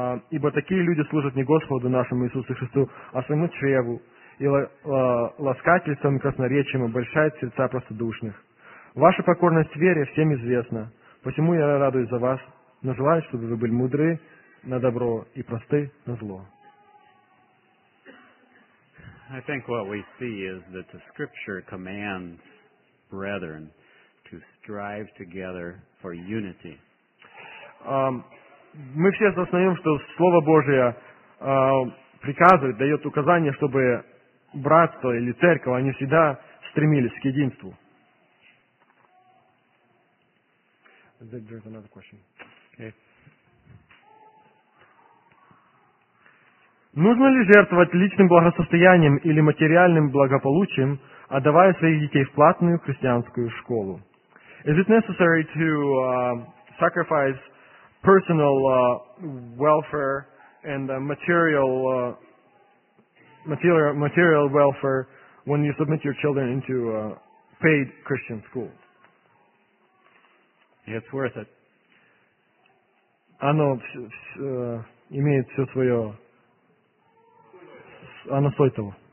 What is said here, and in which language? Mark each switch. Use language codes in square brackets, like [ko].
[ru] Ибо такие люди служат не Господу нашему Иисусу Христу, а своему чреву, и ласкательством и красноречием обольщает сердца простодушных. Ваша покорность в вере всем известна, посему я радуюсь за вас, но желаю, чтобы вы были мудры на добро и просты на зло». [en] I think what we see is that the scripture commands brethren to strive together for unity. [ru] Мы все осознаем, что Слово Божие приказывает, дает указание, чтобы братство или церковь, они всегда стремились к единству. [en] There's another question. Okay. [ru] Нужно ли жертвовать личным благосостоянием или материальным благополучием, отдавая своих детей в платную христианскую школу? [en] Is it necessary to sacrifice personal welfare and material welfare when you submit your children into a paid Christian school? It's worth it. [ru] Оно имеет все свое, оно стоит того.